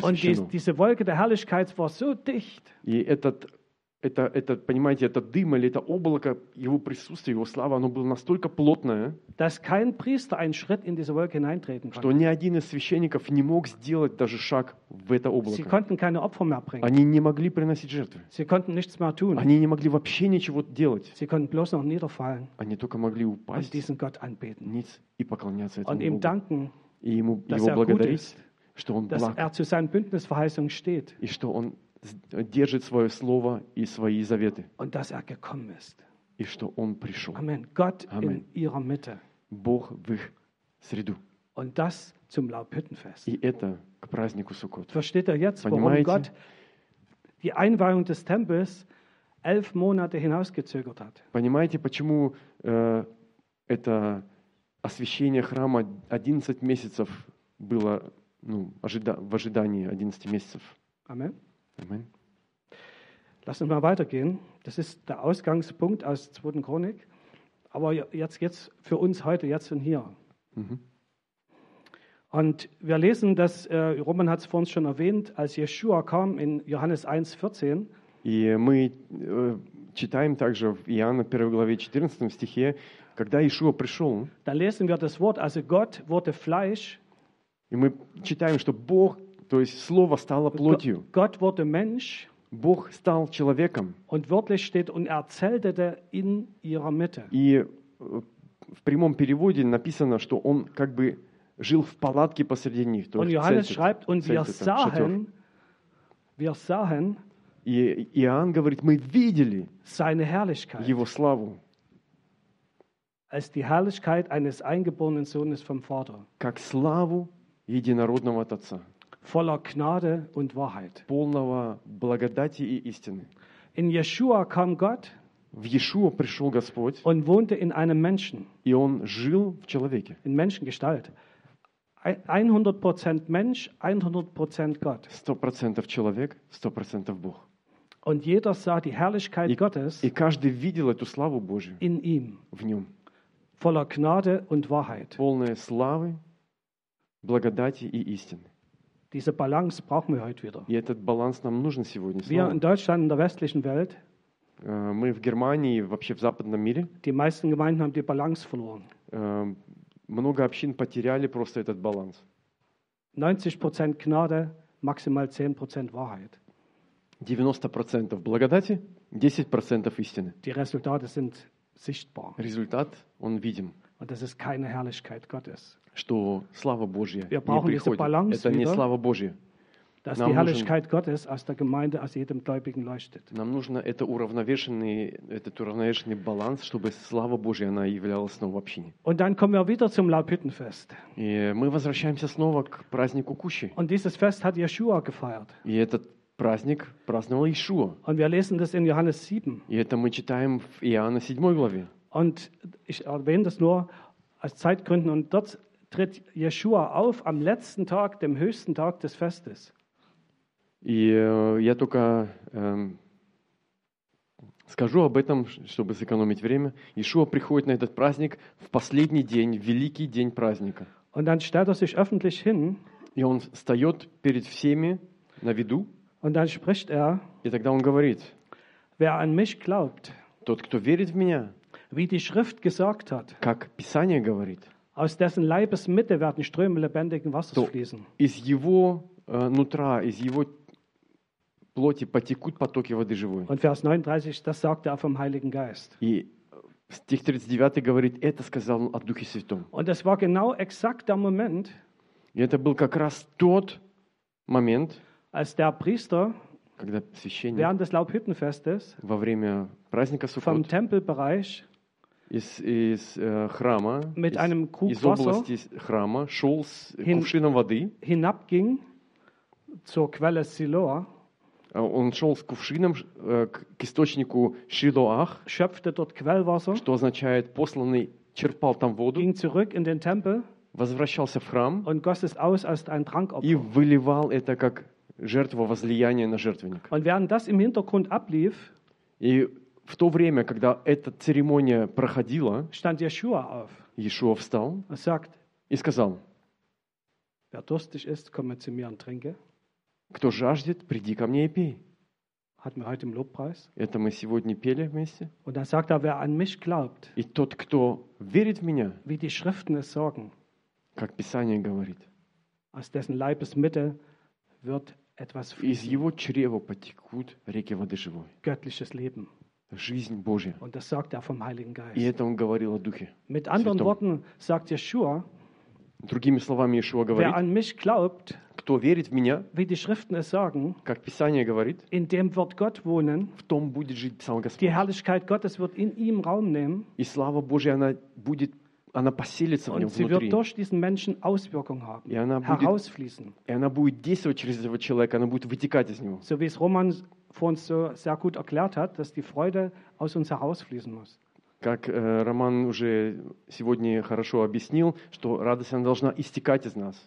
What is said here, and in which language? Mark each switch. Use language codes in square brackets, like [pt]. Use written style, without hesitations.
[ru] священно. [de] Und diese Wolke der Herrlichkeit war so dicht. [ru] И этот, понимаете, это дым или это облако, его присутствие, его слава, оно было настолько плотное, [de] dass kein Priester einen Schritt in diese Wolke hineintreten konnte. [ru] Что ни один из священников не мог сделать даже шаг в это облако. [de] Sie konnten keine Opfer mehr bringen. [ru] Они не могли приносить жертвы. [de] Sie konnten nichts mehr tun. [ru] Они не могли вообще ничего делать. [de] Sie konnten bloß noch niederfallen. [ru] Они только могли упасть. [de] Und diesen Gott anbeten. [ru] Ниц и поклоняться этому Богу. [de] Und ihm danken, [ru] и ему, [de] dass [ru] его [de] er [ru] благодарить, [de] gut ist, [ru] что он благ. [de] Dass er zu seinen Bündnisverheißungen steht. [ru] И что он держит свое слово и свои заветы. [de] Und dass er gekommen ist. [ru] И что он пришел. [de] Amen. Gott Amen. In ihrer Mitte. [ru] Бог в их среду. [de] Und das zum Laubhüttenfest. [ru] И это к празднику Суккот. [de] Versteht ihr jetzt, [ru] Понимаете? [de] Warum Gott die Einweihung des Tempels 11 Monate hinausgezögert hat? [ru] Понимаете, почему это освящение храма 11 месяцев было в ожидании 11 месяцев? [de] Amen. [ru] Amen. [de] Lass uns mal weitergehen. Das ist der Ausgangspunkt aus 2. Chronik. Aber jetzt für uns heute, jetzt und hier. Mhm. Und wir lesen, dass Roman hat es vor uns schon erwähnt, als Yeshua kam in Johannes 1,14. [ru] И мы читаем также в Иоанна 1 главе 14 стихе, когда Иешуа пришел. [de] Dann lesen wir das Wort, also Gott wurde Fleisch. [ru] И мы читаем, что Бог, то есть Слово стало плотью. [de] Gott wurde Mensch. [ru] Бог стал человеком. [de] Und wörtlich steht, und er zeltete in ihrer Mitte. [ru] И в прямом переводе написано, что он как бы жил в палатке посреди них. [de] То und Johannes zeltet, schreibt, und zeltet, wir sahen, [ru] и Иоанн говорит, мы видели [de] seine Herrlichkeit, [ru] его славу, [de] als die Herrlichkeit eines eingeborenen Sohnes vom Vater, [ru] как славу единородного от Отца. [de] Voller Gnade und Wahrheit. [ru] Полного благодати и истины. [de] In Yeshua kam Gott. [ru] В Иешуа пришел Господь. [de] Und wohnte in einem Menschen. [ru] И он жил в человеке. [de] In Menschengestalt. 100% Mensch, 100% Gott. [ru] 100% человек, 100% Бог. [de] Und jeder sah die Herrlichkeit Gottes. [ru] И каждый видел эту славу Божию. [de] In ihm. [ru] В нем. [de] Voller Gnade und Wahrheit. [ru] Полная славы, благодати и истины. [de] Diese Balance brauchen wir heute wieder. [ru] И этот баланс нам нужен сегодня. [de] Wir in Deutschland, in der westlichen Welt, [ru] мы в Германии, вообще в западном мире, [de] die meisten Gemeinden haben die Balance verloren. [ru] Много общин потеряли просто этот баланс. [de] 90% Gnade, maximal 10% Wahrheit. [ru] 90% благодати, 10% истины. [de] Die Resultate sind sichtbar. [ru] Результат, он видим. [de] Und das ist keine Herrlichkeit Gottes. [ru] Что слава Божья не приходит. Это не слава Божья. [de] dass die Herrlichkeit Gottes aus der Gemeinde, aus jedem Gläubigen leuchtet. [ru] Нам нужен этот уравновешенный, баланс, чтобы слава Божья она являлась в общине. [de] Und dann kommen wir wieder zum Laubhüttenfest. [ru] И мы возвращаемся снова к празднику Кущи. [de] Und dieses Fest hat Yeshua gefeiert. [ru] И этот праздник праздновал Иешуа. [de] Und wir lesen das in Johannes 7. [ru] И это мы читаем в Иоанна 7 главе. [de] Und ich erwähne das nur aus Zeitgründen. Und dort tritt Yeshua auf am letzten Tag, dem höchsten Tag des Festes. [ru] И я только скажу об этом, чтобы сэкономить время. Иешуа приходит на этот праздник в последний день, в великий день праздника. [de] Und dann stellt er sich öffentlich hin. [ru] И он встает перед всеми на виду. [de] Und dann spricht er. [ru] И тогда он говорит. [de] Wer an mich glaubt. [ru] Тот, кто верит в меня. [de] Wie die Schrift gesagt hat. [ru] Как Писание говорит. [de] Aus dessen Leibes Mitte werden Ströme lebendigen Wassers fließen. [ru] Из его нутра, из его плоти потекут потоки воды живой. [de] Und Vers 39, das sagt er vom Heiligen Geist. [ru] И стих 39 говорит, это сказал он о Духе Святом. [de] Und das war genau exakt der Moment. [ru] И это был как раз тот момент, [de] als der Priester, [ru] когда священник, [de] während des Laubhüttenfestes, [ru] во время праздника Суккот, [de] vom Tempelbereich, [ru] из храма, [de] mit einem Krug [ru] из области [de] Wasser, [ru] храма, шел с кувшином воды, [de] hinabging zur Quelle Siloah, [ru] он шел с кувшином к источнику Шилоах, [de] schöpfte dort Quellwasser, [ru] что означает посланный черпал там воду, [de] ging zurück in den Tempel, [ru] возвращался в храм, [de] und goss es aus als ein Trankopfer, [ru] и выливал это как жертва возлияния на жертвенник. [de] Und während das im Hintergrund ablief, [ru] и в то время, когда эта церемония проходила, [de] stand Yeshua auf, [ru] Yeshua встал [de] und sagt, [ru] и сказал, [de] wer durstig ist, komme zu mir und trinke. [ru] Кто жаждет, приди ко мне и пей. [de] Hatten wir heute im Lobpreis. [ru] Это мы сегодня пели вместе. [de] Und dann sagt er, wer an mich glaubt, [ru] и тот, кто верит в меня, [de] wie die Schriften es sagen, [ru] как Писание говорит, [de] aus dessen Leibes Mitte wird etwas [ru] из его чрева потекут реки воды живой. [de] Göttliches Leben. [ru] Жизнь Божья. [de] Und das sagt er vom Heiligen Geist. [ru] И это он говорил о Духе Святом. [de] Mit anderen Worten sagt Yeshua, [ru] другими словами Иешуа говорит, [de] wer an mich glaubt, [ru] кто верит в меня, [de] wie die Schriften es sagen, [ru] как Писание говорит, [de] in dem wird Gott wohnen, [ru] в том будет жить Псалом Господь. [de] Die Herrlichkeit Gottes wird in ihm Raum nehmen, [ru] и слава Божья она будет, она поселится в нем внутри. [de] Und sie wird durch diesen Menschen Auswirkung haben, [ru] и она будет, [de] herausfließen. [ru] И она будет действовать через этого человека, она будет вытекать из него. [de] So wie es Roman vor uns so sehr gut erklärt hat, dass die Freude aus uns herausfließen muss. [ru] Как Роман уже сегодня хорошо объяснил, что радость она должна истекать из нас.